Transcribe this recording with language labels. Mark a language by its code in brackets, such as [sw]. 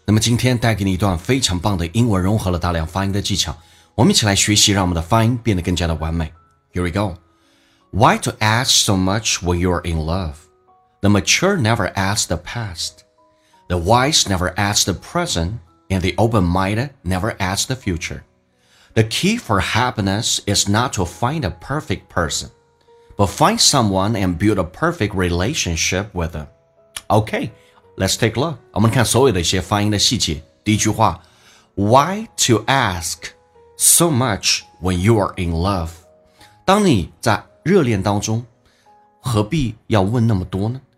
[zh] 那么今天带给你一段非常棒的英文，融合了大量发音的技巧，我们一起来学习，让我们的发音变得更加的完美。 [en] Here we go. Why to ask so much when you are in love? The mature never ask the past. The wise never ask the present. And the open-minded never ask the future. The key for happiness is not to find a perfect person, but find someone and build a perfect relationship with them. Okay, let's take a look. [zh] 我们看所有的一些发音的细节。第一句话 [en] ,Why to ask so much when you are in love? [zh] 当你在热恋当中，何必要问那么多呢？